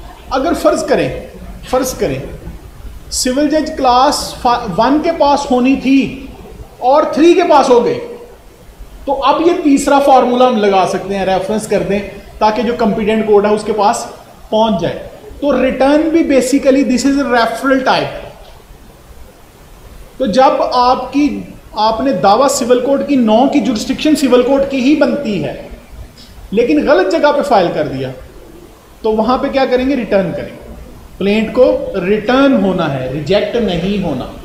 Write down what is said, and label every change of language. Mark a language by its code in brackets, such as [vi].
[ur] اگر فرض کریں سول جج کلاس 1 کے پاس ہونی تھی اور 3 کے پاس ہو گئی، تو اب یہ تیسرا فارمولا ہم لگا سکتے ہیں، ریفرنس کر دیں تاکہ جو کمپیٹنٹ کوڈ ہے اس کے پاس پہنچ جائے. تو ریٹرن بھی [en] Basically this is a referral type. [ur] تو جب آپ نے دعویٰ سول کورٹ کی 9 کی جورسڈکشن سول کورٹ کی ہی بنتی ہے لیکن غلط جگہ پہ فائل کر دیا، تو وہاں پہ کیا کریں گے, ریٹرن کریں گے, پلینٹ کو ریٹرن ہونا ہے, ریجیکٹ نہیں ہونا.